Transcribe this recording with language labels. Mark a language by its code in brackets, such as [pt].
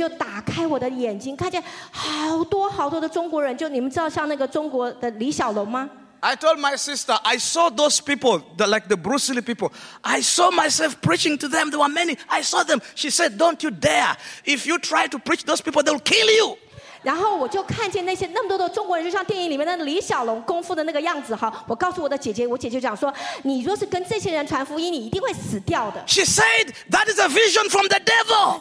[zh] 就是神就打开我的眼睛, 看见好多好多的中国人, 就你们知道像那个中国的李小龙吗? [en] I told my sister, I saw those people, like the Bruce Lee people. I saw myself preaching to them. There were many. I saw them. She said, don't you dare. If you try to preach those people, they'll kill you. [zh] 然后我就看见那些那么多的中国人，就像电影里面的李小龙功夫的那个样子哈。我告诉我的姐姐，我姐姐讲说，你若是跟这些人传福音，你一定会死掉的。 [en] She said that is a vision from the devil.